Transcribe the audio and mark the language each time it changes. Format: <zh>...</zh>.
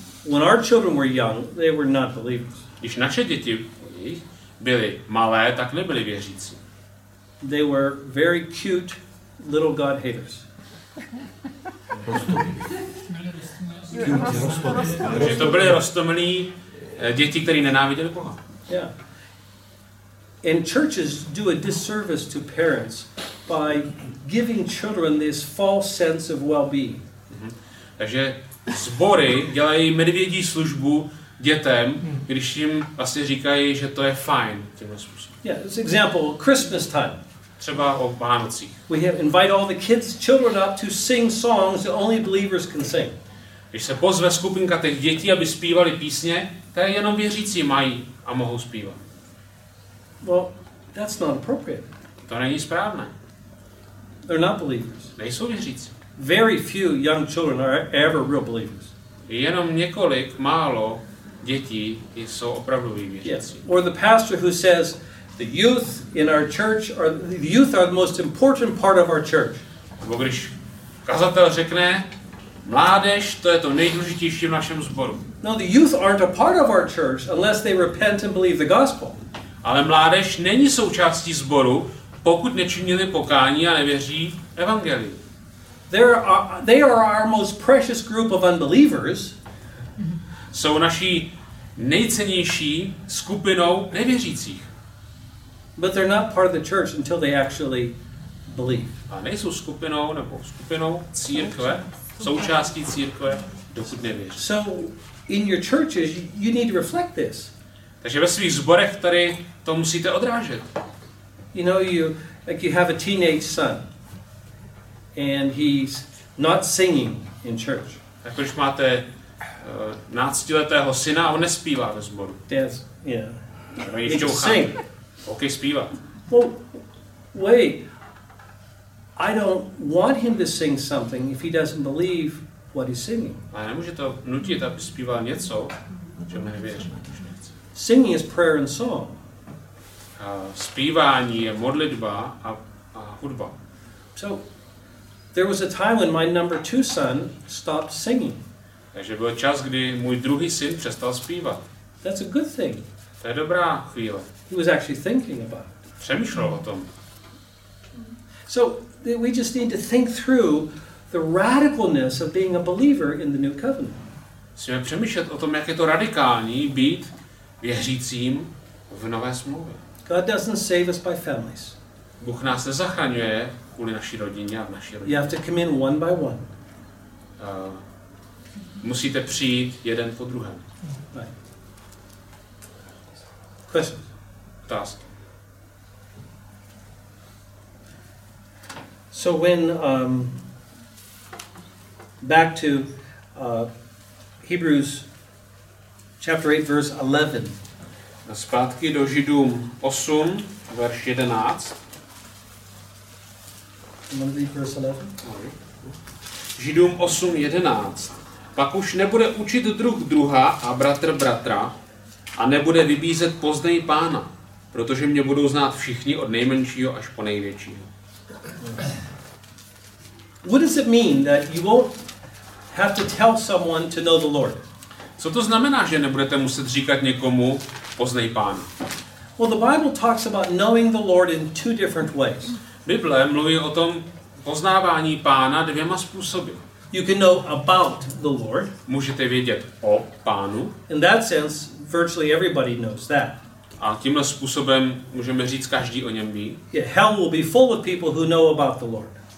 <en>When our children were young, they were not believers.</en> <cs>Když naše děti byly malé, tak nebyly věřící.</cs> <en>They were very cute little God haters.</en> <cs>Že to byly roztomilí děti, které nenáviděli Boha.</cs> <en>Yeah. And churches do a disservice to parents by giving children this false sense of well-being. Mm-hmm.</en> <cs>Takže sbory dělají medvědí službu dětem, když jim vlastně říkají, že to je fajn tímhle způsobem.</cs> <en>Yeah, it's example Christmas time.</en> <cs>Třeba o Vánocích.</cs> <en>We have invite all the kids, children up to sing songs that only believers can sing.</en> <cs>Když se pozve skupinka těch dětí, aby zpívali písně, které jenom věřící mají a mohou zpívat.</cs> <en>Well, that's not appropriate.</en> <cs>To není správné.</cs> <en>They're not believers.</en> <cs>Nejsou věřící.</cs> <en>Very few young children are ever real believers.</en> <cs>Jenom několik málo dětí jsou opravdu věřící.</cs> <en>Yes. Or the pastor who says the youth in our church are the youth are the most important part of our church.</en> <cs>Nebo když kazatel řekne, mládež, to je to nejdůležitější v našem sboru.</cs> <en>No, the youth aren't a part of our church unless they repent and believe the gospel.</en> <cs>Ale mládež není součástí sboru, pokud nečinili pokání a nevěří evangelii.</cs> <en>They are our most precious group of unbelievers.</en> <cs>Jsou naší nejcennější skupinou nevěřících.</cs> <en>But they're not part of the church until they actually believe.</en> <cs>A nejsou skupinou církve, součástí církve, dokud nevěří.</cs> <en>So in your churches you need to reflect this.</en> <cs>Takže ve svých zborech tady to musíte odrážet.</cs> <en>You know, you have a teenage son. And he's not singing in church.</en> <cs>Tak když máte náctiletého syna, on nespívá ve sboru.</cs> <en>Yes, yeah.</en> <cs>On ještě uchá. Okay, zpívá.</cs> <en>Well, wait. I don't want him to sing something if he doesn't believe what he's singing.</en> <cs>Ale nemůže to nutit, aby zpíval něco, čemu nevěří.</cs> <en>Singing is prayer and song.</en> <cs>Zpívání je modlitba a hudba.</cs> <en>So, there was a time when my number two son stopped singing.</en> <cs>Takže byl čas, kdy můj druhý syn přestal zpívat.</cs> <en>That's a good thing.</en> <cs>To je dobrá chvíle.</cs> <en>He was actually thinking about it.</en> <cs>Přemýšlel o tom.</cs> <en>So we just need to think through the radicalness of being a believer in the new covenant.</en> <cs>Musíme přemýšlet o tom, jak je to radikální být věřícím v nové smlouvě.</cs> <en>God doesn't save us by families.</en> <cs>Bůh nás nezachraňuje kvůli naší rodině a v naší rodině.</cs> <en>You have to come in one by one.</en> <cs>Musíte přijít jeden po druhém.</cs> <en>Right. Questions?</en> <cs>Otázky.</cs> <en>So when back to Hebrews chapter 8 verse 11.</en> <cs>Zpátky do Židům 8 verš 11.</cs> <en>Verse 11.</en> <cs>Židům 8:11. Pak už nebude učit druh druha a bratr bratra a nebude vybízet poznej pána, protože mě budou znát všichni od nejmenšího až po největšího.</cs> <en>What does it mean that you won't have to tell someone to know the Lord?</en> <cs>Co to znamená, že nebudete muset říkat někomu poznej pána?</cs> <en>Well, the Bible talks about knowing the Lord in two different ways.</en> <cs>Bible mluví o tom poznávání pána dvěma způsoby.</cs> <en>You can know about the Lord.</en> <cs>Můžete vědět o pánu.</cs> <en>In that sense, virtually everybody knows that.</en> <cs>A tímhle způsobem můžeme říct, každý o něm ví.</cs> <en>Yeah, hell will be full of people who know about the Lord.</en>